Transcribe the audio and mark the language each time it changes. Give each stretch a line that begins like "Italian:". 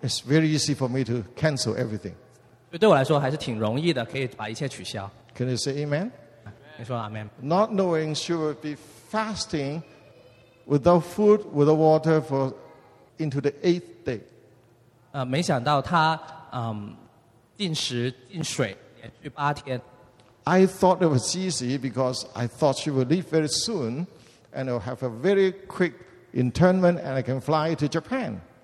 English: It's very easy for me to cancel everything.
Chinese: 对我来说还是挺容易的，可以把一切取消。
English: Can you say amen?
Chinese: 你说 amen.
English: Not knowing she would be fasting without food, without water for into the eighth day.
Chinese: 没想到她禁食禁水连续八天。
English: I thought it was easy because I thought she would leave very soon and it would have a very quick internment and I can fly to Japan.